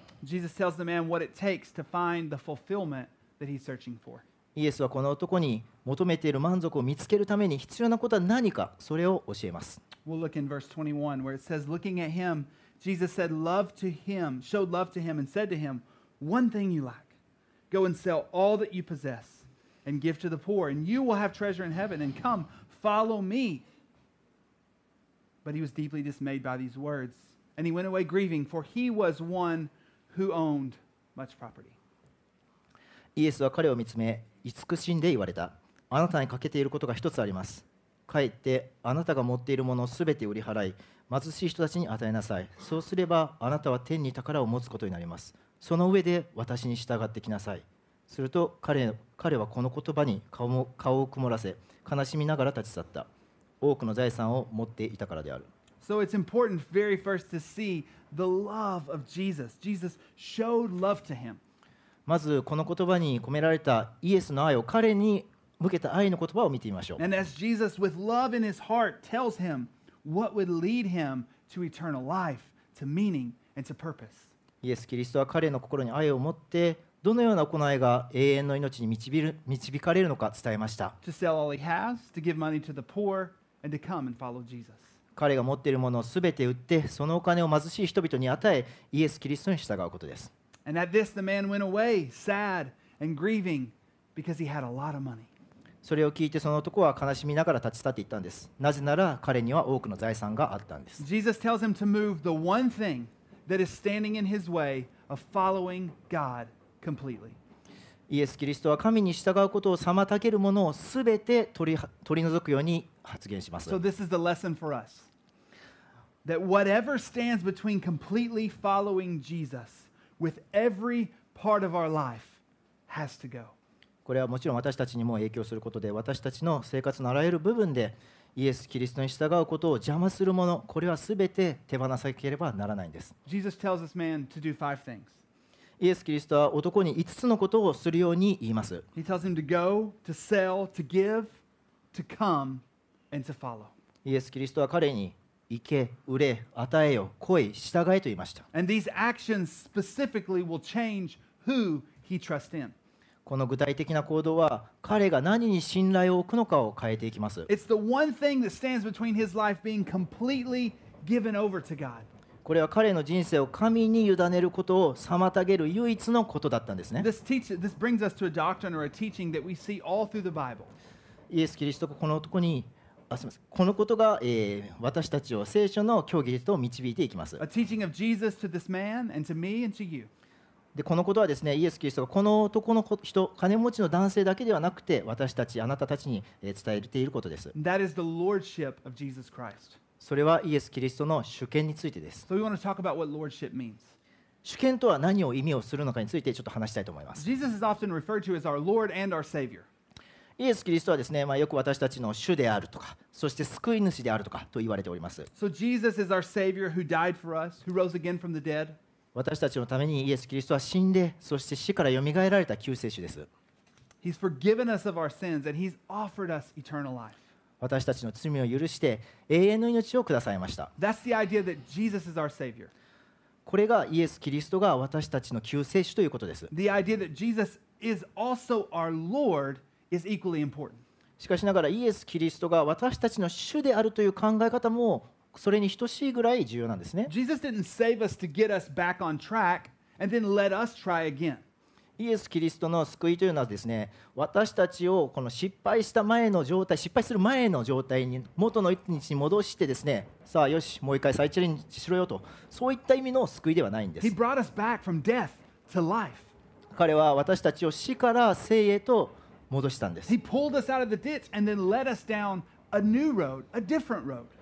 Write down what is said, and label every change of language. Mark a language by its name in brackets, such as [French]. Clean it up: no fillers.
[English] Jesus tells the man what it takes to find the fulfillment that he's searching for. [Japanese] イエスはこの男に求めている満足を見つけるために必要なことは何か、それを教えます。 [English] We'll look in verse 21 where it says, looking at him, Jesus said, love to him, showed love to him and said to him, one thing you lack. Go and sell all that you possess and give to the poor and you will have treasure in heaven and come, follow me. But he was deeply dismayed by these words, and he went away grieving, for he was one who owned much property. [Japanese] イエスは彼を見つめ、慈しんで言われた。あなたに欠けていることが一つあります。帰って、あなたが持っているものをすべて売り払い、貧しい人たちに与えなさい。そうすれば、あなたは天に宝を持つことになります。その上で私に従ってきなさい。すると彼はこの言葉に顔を曇らせ、悲しみながら立ち去った。多くの財産を持っていたからである。 [English] So it's important very first to see the love of Jesus. Jesus showed love to him. [Japanese] まずこの言葉に込められたイエスの愛を彼に向けた愛の言葉を見てみましょう。 [English] And as Jesus with love in his heart tells him what would lead him to eternal life, to meaning and to purpose. [Japanese] イエス・キリストは彼の心に愛を持ってどのような行いが永遠の命に導かれるのか伝えました。 [English] To sell all he has, to give money to the poor,And to come and follow Jesus. [Japanese] 彼が持っているものをすべて売って、そのお金を貧しい人々に与え、イエス・キリストに従うことです。 [English] And at this, the man went away, sad and grieving, because he had a lot of money. [Japanese] それを聞いてその男は悲しみながら立ち去っていったんです。なぜなら彼には多くの財産があったんです。 [English] Jesus tells him to move the one thing that is standing in his way of following God completely. [Japanese] イエス・キリストは神に従うことを妨げるものをすべて取り除くように発言します。 [English] So this is the lesson for us. That whatever stands between completely following Jesus with every part of our life has to go. [Japanese] これはもちろん私たちにも影響することで、私たちの生活のあらゆる部分でイエス・キリストに従うことを邪魔するもの、これはすべて手放さなければならないんです。 [English] Jesus tells this man to do five things. [Japanese] イエス・キリストは男に5つのことをするように言います。 [English] He tells him to go, to sell, to give, to come, and to follow. [Japanese] イエス・キリストは彼に行け、売れ、与えよ、来い、従えと言いました。 [English] And these actions specifically will change who he trusts in. [Japanese] この具体的な行動は彼が何に信頼を置くのかを変えていきます。 [English] It's the one thing that stands between his life being completely given over to God. [Japanese] これは彼の人生を神に委ねることを妨げる唯一のことだったんですね。 [English] This brings us to a doctrine or a teaching that we see all through the Bible. [Japanese] イエス・キリストがこの男に、あ、すみません。このことが、私たちを聖書の教義へと導いていきます。 [English] A teaching of Jesus to this man and to me and to you. [Japanese] で、このことはですね、イエス・キリストがこの男の人、金持ちの男性だけではなくて、私たち、あなたたちに伝えていることです。 [English] That is the lordship of Jesus Christ. [Japanese] それはイエス・キリストの主権についてです。 [English] So we want to talk about what lordship means. [Japanese] 主権とは何を意味をするのかについてちょっと話したいと思います。 [English] Jesus is often referred to as our Lord and our Savior. [Japanese] イエス・キリストはですね、まあ、よく私たちの主であるとか、そして救い主であるとかと言われております。 [English] So Jesus is our Savior who died for us, who rose again from the dead. [Japanese] 私たちのためにイエス・キリストは死んで、そして死から蘇られた救世主です。 [English] He's forgiven us of our sins and he's offered us eternal life. [Japanese] 私たちの罪を許して永遠の命をくださいました。 [English] That's the idea that Jesus is our Savior. [Japanese] これがイエス・キリストが私たちの救世主ということです。 [English] The idea that Jesus is also our Lord is equally important. [Japanese] しかしながらイエス・キリストが私たちの主であるという考え方もそれに等しいぐらい重要なんですね。 [English] Jesus didn't save us to get us back on track and then let us try again. [Japanese] イエス・キリストの救いというのはですね、私たちをこの失敗した前の状態、失敗する前の状態に元の位置に戻してですね、さあよし、もう一回再チャレンジしろよと、そういった意味の救いではないんです。 [English] He brought us back from death to life. [Japanese] 彼は私たちを死から生へと戻したんです。 [English] He pulled us out of the ditch and then led us down a new road, a different road.